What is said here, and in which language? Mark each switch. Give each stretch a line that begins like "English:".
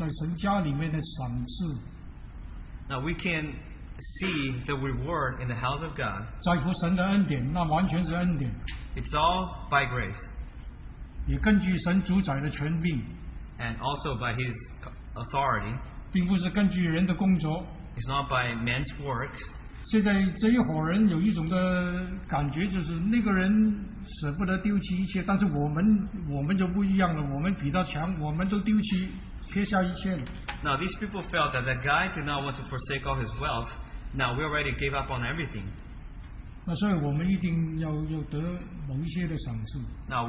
Chinese: 我想这两段圣经里面起码要让我们看见就是在神家里面的赏赐
English: Now we can see the reward in the house of God
Chinese: 在乎神的恩典 那完全是恩典
English: It's all by grace
Chinese: 也根据神主宰的权柄
English: And also by his authority
Chinese: 并不是根据人的工作
English: It's not by man's works
Chinese: 现在这一伙人有一种的感觉，就是那个人舍不得丢弃一切，但是我们就不一样了，我们比他强，我们都丢弃，撇下一切。
English: Now these people felt that guy did not want to forsake all his wealth. Now we already gave up on everything.
Chinese: 那所以我们一定要得某一些的赏赐。
English: Now